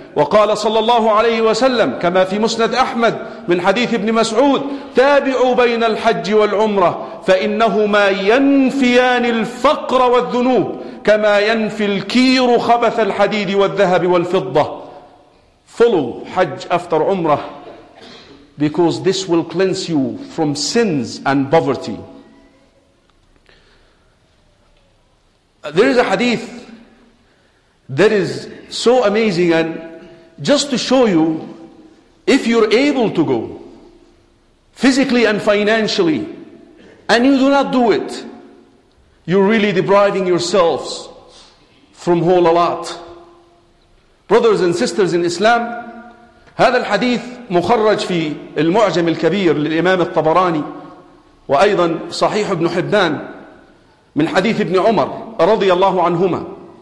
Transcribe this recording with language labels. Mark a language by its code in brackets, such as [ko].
[ar] وقال صلى الله عليه وسلم كما في مسند أحمد من حديث ابن مسعود تابعوا بين الحج والعمرة فإنهما ينفيان الفقر والذنوب كما ينفي الكير خبث الحديد والذهب والفضة. [en] Follow Hajj after Umrah because this will cleanse you from sins and poverty. There is a hadith that is so amazing, and just to show you, if you're able to go physically and financially and you do not do it, you're really depriving yourselves from whole a lot. Brothers and sisters in Islam, [ar] هذا الحديث مخرج في المعجم الكبير للإمام الطبراني وأيضا صحيح ابن حبان من حديث ابن عمر رضي الله عنهما.